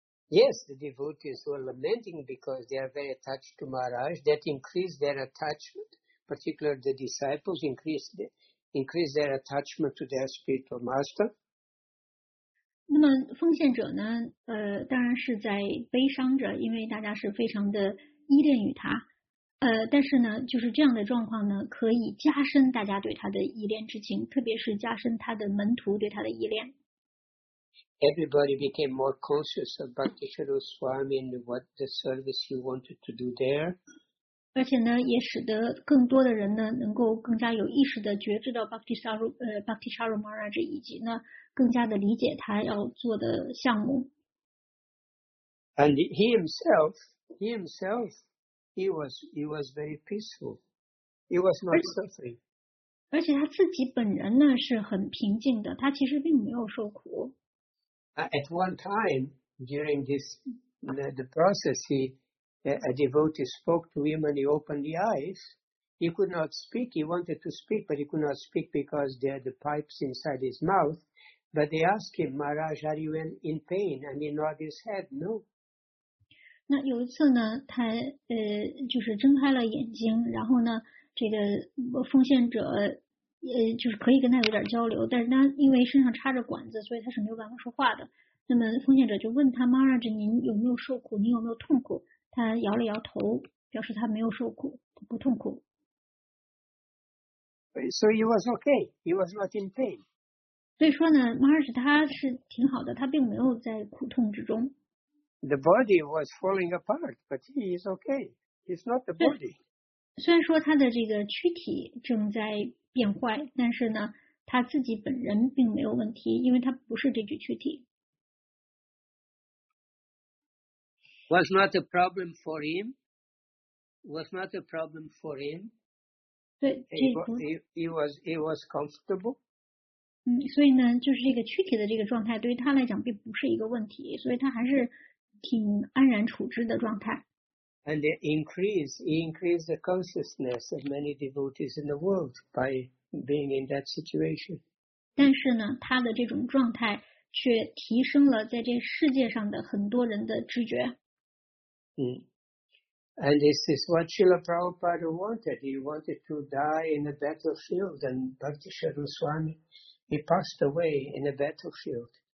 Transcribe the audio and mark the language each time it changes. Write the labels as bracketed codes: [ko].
[en] Yes, the devotees were lamenting because they are very attached to Maharaj. That increased their attachment, particularly the disciples increased their attachment to their spiritual master. [zh] 那么奉献者呢当然是在悲伤着，因为大家是非常的依恋于他，但是呢就是这样的状况呢可以加深大家对他的依恋之情，特别是加深他的门徒对他的依恋。 [en] Everybody became more conscious of Bhakti Swaroop Swami and what the service he wanted to do there. [zh] 而且呢也使得更多的人呢能够更加有意识的觉知到Bhakti Swaroop Maharaj以及呢更加的理解他要做的项目。 [en] And he himself, he was very peaceful. He was not suffering. [zh] 而且他自己本人呢是很平静的，他其实并没有受苦。 [en] At one time during this the process, he a devotee spoke to him and he opened the eyes. He could not speak. He wanted to speak, but he could not speak because there are the pipes inside his mouth. But they asked him, "Maharaj, are you in pain?" And he nodded his head, "No." [zh] 那有一次呢，他就是睁开了眼睛，然后呢。这个奉献者就是可以跟他有点交流，但是他因为身上插着管子，所以他是没有办法说话的。那么奉献者就问他 Maharaj， 您有没有受苦，您有没有痛苦，他摇了摇头，表示他没有受苦，他不痛苦。 [en] So he was okay, he was not in pain. [zh] 所以说呢 Maharaj 他是挺好的，他并没有在苦痛之中。 [en] The body was falling apart, but he is okay, he's not the body. [zh] 虽然说他的这个躯体正在变坏，但是呢，他自己本人并没有问题，因为他不是这具躯体。 [en] Was not a problem for him. Was not a problem for him. 对 he was comfortable. [zh] 所以呢，就是这个躯体的这个状态对于他来讲并不是一个问题，所以他还是挺安然处之的状态。 [en] And he increased the consciousness of many devotees in the world by being in that situation. [zh] 但是呢，他的这种状态却提升了在这世界上的很多人的知觉。 [en] And this is what Srila Prabhupada wanted. He wanted to die in a battlefield, and Bhakti Sharma Swami, he passed away in a battlefield.